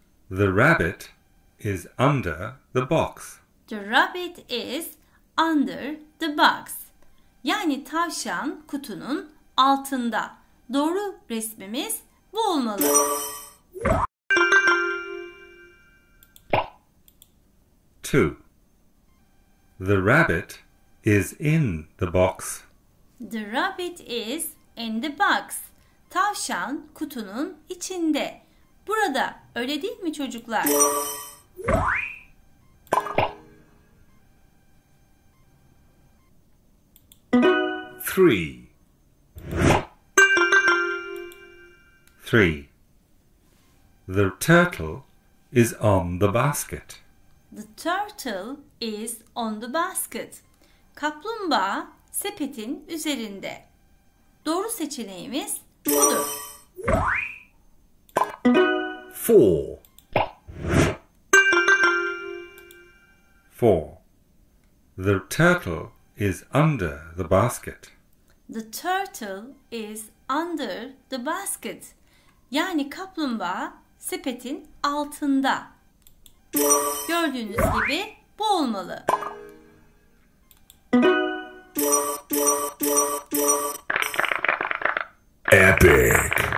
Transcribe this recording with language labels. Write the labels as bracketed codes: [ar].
[en] The rabbit is under the box. The rabbit is under the box. [tr] Yani tavşan kutunun altında. Doğru resmimiz bu olmalı. [en] Two. The rabbit is in the box. The rabbit is in the box. [tr] Tavşan kutunun içinde. Burada, öyle değil mi çocuklar? [en] Three. The turtle is on the basket. The turtle is on the basket. [tr] Kaplumbağa sepetin üzerinde. Doğru seçeneğimiz budur. [en] Four. The turtle is under the basket. The turtle is under the basket. [tr] Yani kaplumbağa sepetin altında. Gördüğünüz gibi bu olmalı. [en] Epic.